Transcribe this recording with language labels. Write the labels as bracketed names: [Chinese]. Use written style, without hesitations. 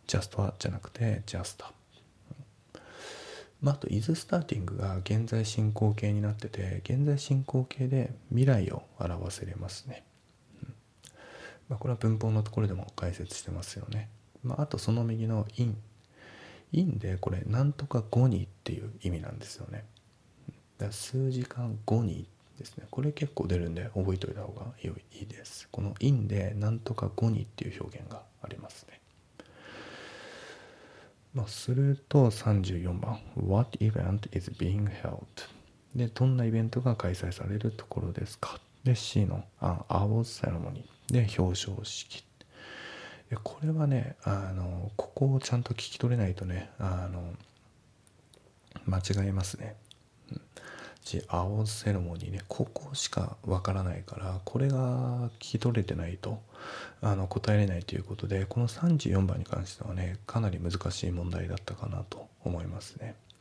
[Japanese] ジャストはじゃなくてジャスト、まあ、あとイズスターティングが現在進行形になってて、現在進行形で未来を表せれますね、うん、まあ、これは文法のところでも解説してますよね、まあ、あとその右のインインで、これなんとか後にっていう意味なんですよね。だ数時間後にですね、これ結構出るんで覚えておいた方が良いです。このインでなんとか後にっていう表現がありますね。まあ、すると34番 [English] What event is being held? [Japanese] で、どんなイベントが開催されるところですか。で、 C の An award ceremony で、表彰式。でこれはね、ここをちゃんと聞き取れないとね、間違えますね。 The award ceremony ね、ここしかわからないから、これが聞き取れてないと答えれないということで、この34番に関してはね、かなり難しい問題だったかなと思いますね。